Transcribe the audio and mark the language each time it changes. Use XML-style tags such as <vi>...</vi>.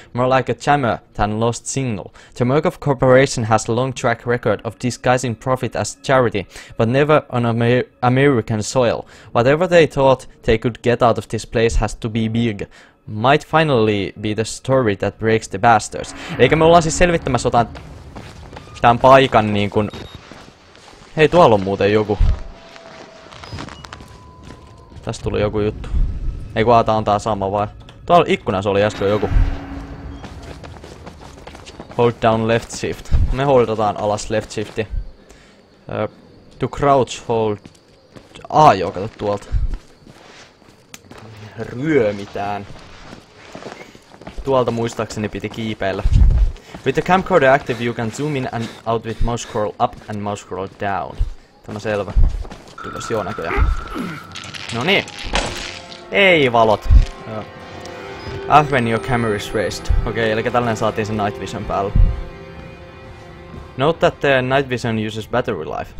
<en>More like a jammer than lost signal. The Murkoff Corporation has a long track record of disguising profit as charity, but never on American soil. Whatever they thought they could get out of this place has to be big. Might finally be the story that breaks the bastards.</en> <fi>Eikä me ollaan siis selvittämässä jotain tämän paikan niin kun... Hei, tuolla on muuten joku. Tästä tuli joku juttu. Ei kun tää on tää sama vai? Tuolla ikkunassa oli äsken joku.</fi> <en>Hold down left shift.</en> <fi>Me holdataan alas left shifti.</fi> <en>To crouch hold...</en> <fi>Ah joo, kato tuolta. Ryömitään. Tuolta muistaakseni piti kiipeillä.</fi> <en>With the camcorder active, you can zoom in and out with mouse scroll up and mouse scroll down.</en> <fi>Tämä selvä. Kyllä se on näköjään. Noniin. Ei valot.</fi> <en>Ah, when your camera is raised.</en> <fi>Okei, okay, eli tällainen saatiin sen night vision päälle.</fi> <en>Note that the night vision uses battery life.</en>